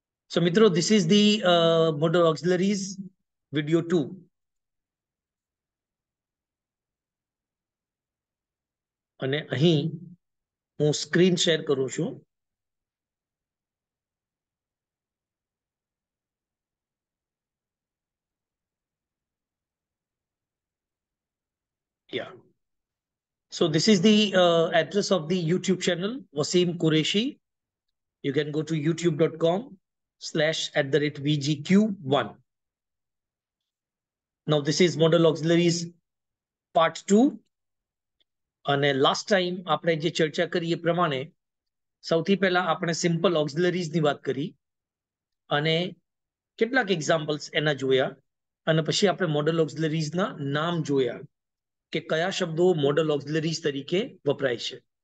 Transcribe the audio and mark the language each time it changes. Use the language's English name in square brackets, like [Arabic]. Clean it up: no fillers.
[Gujarati] સો મિત્રો [English] this is the motor auxiliaries video [Gujarati] 2 અને અહીં હું સ્ક્રીન શેર કરું છું Yeah. [English] So this is the address of the YouTube channel, Vaseem Qureshi. You can go to youtube.com/@VGQ1. Now this is Modal Auxiliaries Part 2. And last time, [Gujarati] આપણે જે ચર્ચા કરી એ પ્રમાણે સૌથી પહેલા આપણે સિમ્પલ ઓક્સિલરીઝ ની વાત કરી અને કેટલાક એક્ઝામ્પલ્સ એના જોયા અને પછી આપણે મોડલ ઓક્સિલરીઝ ના નામ જોયા કે કયા શબ્દો મોડલ ઓક્સિલરીઝ તરીકે વપરાય છે